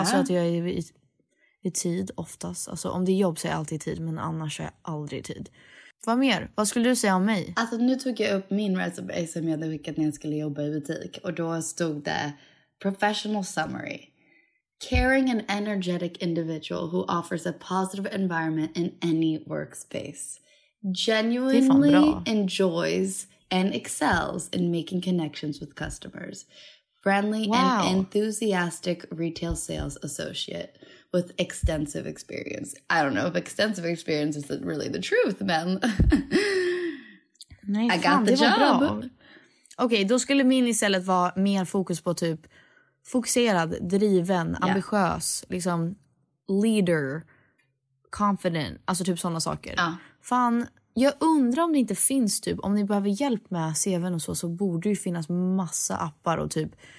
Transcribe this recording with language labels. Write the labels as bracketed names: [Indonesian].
[Swedish] Alltså att jag är i tid oftast. Alltså om det är jobb så är jag alltid i tid, men annars är jag aldrig i tid. Vad mer? Vad skulle du säga om mig? Alltså nu tog jag upp min resume som jag hade skickat när jag skulle jobba i butik. Och då stod det professional summary. [English] Caring and energetic individual who offers a positive environment in any workspace. Genuinely enjoys and excels in making connections with customers. Friendly and enthusiastic retail sales associate. With extensive experience. I don't know if extensive experience is really the truth, [Swedish] men... [English] Nej, I got fan, the job. [Swedish] Okej, då skulle min istället vara mer fokus på typ... Fokuserad, driven, ambitiös, liksom... Leader, confident, alltså typ sådana saker. Ja. Fan, jag undrar om det inte finns typ... Om ni behöver hjälp med CV'n och så borde det ju finnas massa appar och typ...